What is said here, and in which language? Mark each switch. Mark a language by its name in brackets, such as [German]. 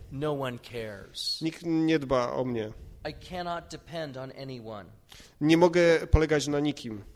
[English] No one cares. [Polish] Nikt nie dba o mnie. [English] I cannot depend on anyone. [Polish] Nie mogę polegać na nikim.